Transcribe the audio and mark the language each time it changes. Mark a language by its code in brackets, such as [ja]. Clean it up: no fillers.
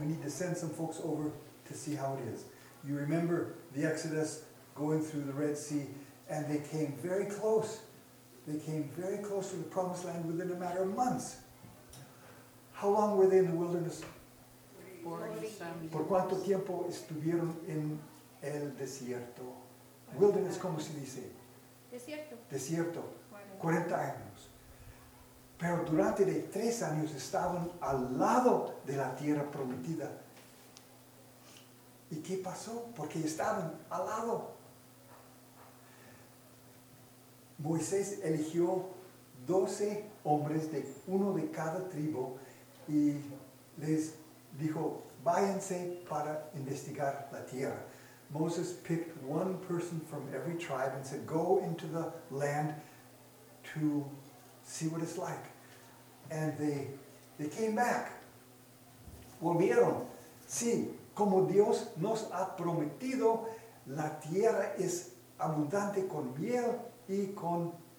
[en] We need to send some folks over to see how it is. You remember the Exodus going through the Red Sea, and they came very close. They came very close to the promised land within a matter of months. How long were they in the wilderness? 40 years. [es] ¿Por cuánto tiempo estuvieron en el desierto? Wilderness, ¿cómo se dice? Desierto. 40 años. Pero durante de 3 años estaban al lado de la tierra prometida. ¿Y qué pasó? Porque estaban al lado. Moisés eligió 12 hombres, de uno de cada tribu, y les dijo, váyanse para investigar la tierra. [en] Moses picked one person from every tribe and said, go into the land to see what it's like. And they They came back. [es] Volvieron. Sí, como Dios nos ha prometido, la tierra es abundante con miel y con